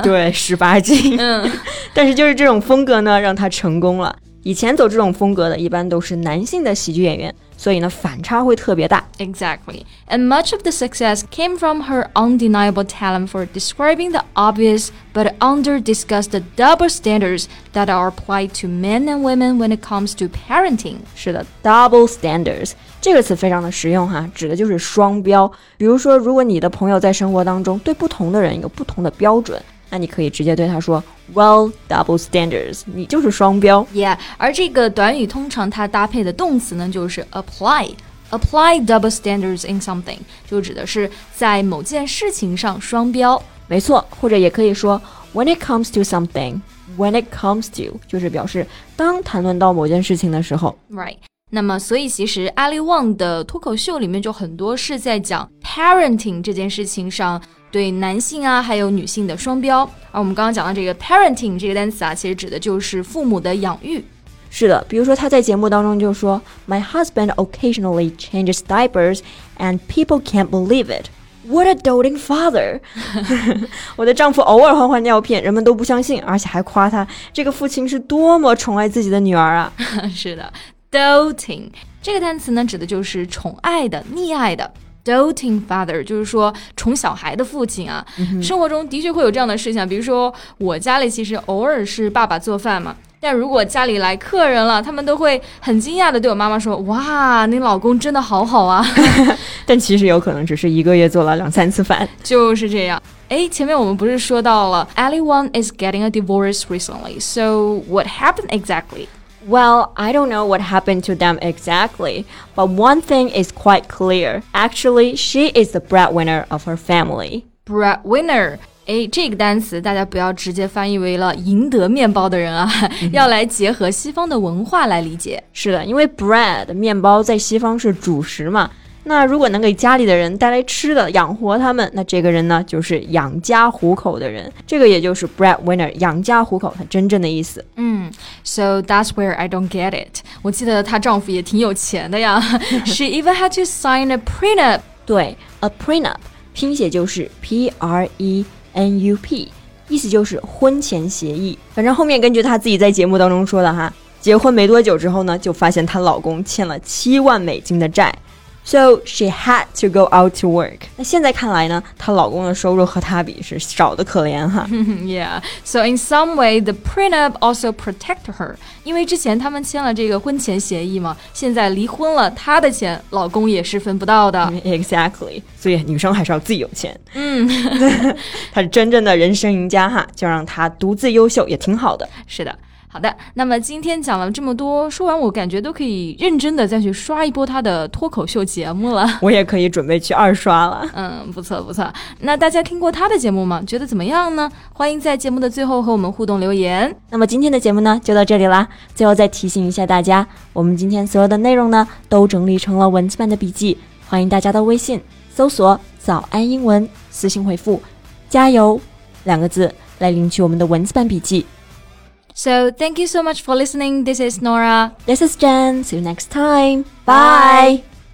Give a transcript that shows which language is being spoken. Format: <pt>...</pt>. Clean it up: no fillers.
<zh>对，十八禁。嗯，但是就是这种风格呢，让它成功了。以前走这种风格的一般都是男性的喜剧演员，所以呢反差会特别大。</zh> <en>Exactly. And much of the success came from her undeniable talent for describing the obvious but under-discussed double standards that are applied to men and women when it comes to parenting.</en> <zh>是的， double standards 这个词非常的实用哈，指的就是双标。比如说如果你的朋友在生活当中对不同的人有不同的标准，那你可以直接对他说</zh> <en>Well, double standards,</en> <zh>你就是双标。</zh> <en>Yeah,</en> <zh>而这个短语通常它搭配的动词呢就是 apply.</zh> <en>Apply double standards in something</en> <zh>就指的是在某件事情上双标。没错，或者也可以说</zh> <en>When it comes to</en> <zh>something, when it comes to 就是表示当谈论到某件事情的时候。</zh> <en>Right,</en> <zh>那么所以其实 Ali Wong 的脱口秀里面就很多是在讲 parenting 这件事情上对男性啊还有女性的双标。而我们刚刚讲到这个 parenting 这个单词啊，其实指的就是父母的养育。是的，比如说他在节目当中就说</zh> <en>My husband occasionally changes diapers and people can't believe it. What a doting father!</en> <zh>我的丈夫偶尔换换尿片，人们都不相信，而且还夸他这个父亲是多么宠爱自己的女儿啊。是的， doting 这个单词呢指的就是宠爱的、溺爱的。 Doting father 就是说宠小孩的父亲啊、嗯、生活中的确会有这样的事情，比如说我家里其实偶尔是爸爸做饭嘛，但如果家里来客人了，他们都会很惊讶的对我妈妈说，哇，你老公真的好好啊。但其实有可能只是一个月做了两三次饭。就是这样。哎，前面我们不是说到了</zh> <en>Ali Wong is getting a divorce recently, so what happened exactly? Well, I don't know what happened to them exactly, but one thing is quite clear. Actually, she is the breadwinner of her family. Breadwinner.</en> <zh>哎，这个单词大家不要直接翻译为了赢得面包的人啊、mm-hmm. 要来结合西方的文化来理解。是的，因为 bread, 面包在西方是主食嘛。那如果能给家里的人带来吃的养活他们，那这个人呢就是养家糊口的人，这个也就是 breadwinner, 养家糊口他真正的意思。</zh> <en>嗯、mm, So that's where I don't get it.</en> <zh>我记得她丈夫也挺有钱的呀。</zh> <en>She even had to sign a prenup.</en> <zh>对， a prenup 拼写就是 P-R-E-N-U-P, 意思就是婚前协议。反正后面根据她自己在节目当中说的哈，结婚没多久之后呢就发现她老公欠了$70,000的债。</zh> <en>So she had to go out to work.</en> <zh>那现在看来呢，她老公的收入和她比是少得可怜哈。</zh> <en>Yeah, so in some way, the prenup also protect her.</en> <zh>因为之前他们签了这个婚前协议嘛，现在离婚了，她的钱老公也是分不到的。</zh> <en>Exactly.</en> <zh>所以女生还是要自己有钱。嗯，她是真正的人生赢家哈，就让她独自优秀也挺好的。是的。好的，那么今天讲了这么多，说完我感觉都可以认真的再去刷一波他的脱口秀节目了。我也可以准备去二刷了。嗯，不错不错。那大家听过他的节目吗？觉得怎么样呢？欢迎在节目的最后和我们互动留言。那么今天的节目呢，就到这里啦。最后再提醒一下大家，我们今天所有的内容呢，都整理成了文字版的笔记，欢迎大家到微信搜索早安英文，私信回复加油两个字来领取我们的文字版笔记。</zh> <en>So, thank you so much for listening. This is Nora. This is Jen. See you next time. Bye!</en>